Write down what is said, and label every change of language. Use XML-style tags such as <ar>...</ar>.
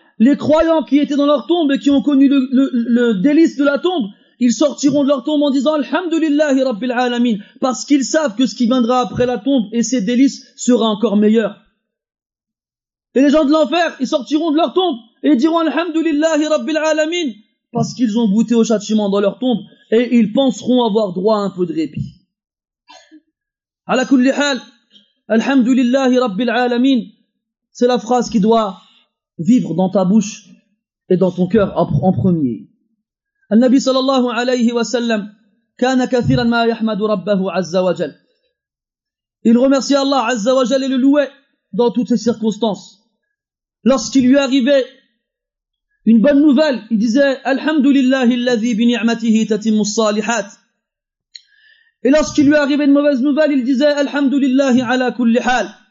<fr>Les croyants qui étaient dans leur tombe et qui ont connu le délice de la tombe, ils sortiront de leur tombe en disant</fr> <ar>Alhamdulillahi Rabbil Alamin,</ar> <fr>parce qu'ils savent que ce qui viendra après la tombe et ses délices sera encore meilleur. Et les gens de l'enfer, ils sortiront de leur tombe et diront</fr> <ar>Alhamdulillahi Rabbil Alamin,</ar> <fr>parce qu'ils ont goûté au châtiment dans leur tombe et ils penseront avoir droit à un peu de répit.</fr> <ar>على كل حال الحمد لله رب العالمين.</ar> <fr>C'est la phrase qui doit vivre dans ta bouche et dans ton cœur en premier.</fr> <ar>النبي صلى الله عليه وسلم كان كثيرا ما يحمد ربه عز وجل.</ar> <fr>Il remerciait Allah عز وجل et le louait dans toutes ses circonstances. Lorsqu'il lui arrivait une bonne nouvelle, il disait</fr> <ar>الحمد لله الذي بنعمته تتم الصالحات.</ar> <fr>Et lorsqu'il lui arrivait une mauvaise nouvelle, il disait</fr> <ar>Alhamdulillah ala kulli hal.</ar>